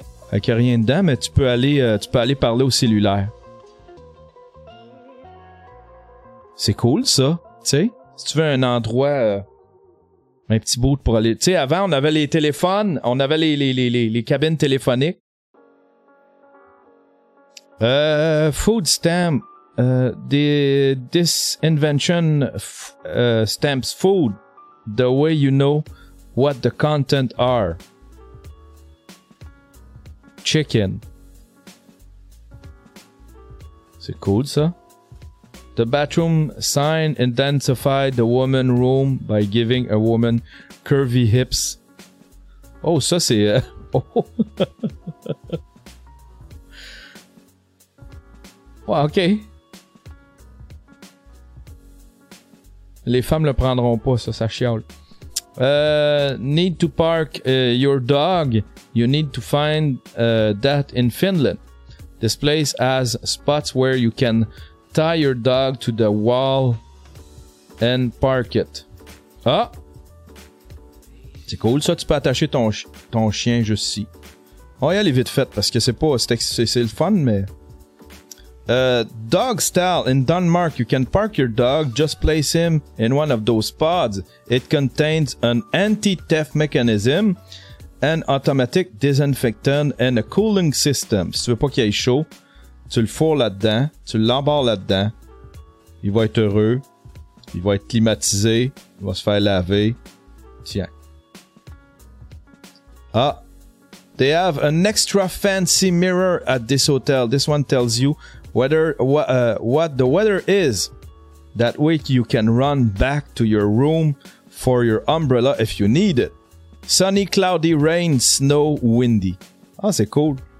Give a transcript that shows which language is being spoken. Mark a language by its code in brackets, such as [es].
[fr] Avec rien dedans, mais tu peux aller parler au cellulaire. C'est cool, ça, tu sais? Si tu veux un endroit... un petit boot pour aller... Tu sais, avant, on avait les téléphones, on avait les cabines téléphoniques. [en] Food stamp. This invention stamps food the way you know what the content are. Chicken. [fr] C'est cool, ça. [en] The bathroom sign identified the woman room by giving a woman curvy hips. [fr] Oh, ça, c'est... Ouais, OK. Les femmes le prendront pas, ça chiale. [en] Need to park your dog. You need to find that in Finland. This place has spots where you can tie your dog to the wall and park it. Ah! [fr] C'est cool, ça. Tu peux attacher ton chien juste ici. Oh, y'a les vite fait, parce que c'est pas... C'est le fun, mais... [en] dog style in Denmark, you can park your dog, just place him in one of those pods. It contains an anti-theft mechanism, an automatic disinfectant and a cooling system. [fr] Si tu veux pas qu'il aille chaud, tu le fourres là-dedans, tu l'embarres là-dedans. Il va être heureux, il va être climatisé, il va se faire laver. Tiens. Ah, [en] They have an extra fancy mirror at this hotel. This one tells you whether what the weather is. That way you can run back to your room for your umbrella if you need it. Sunny, cloudy, rain, snow, windy. [fr] Ah, c'est cool.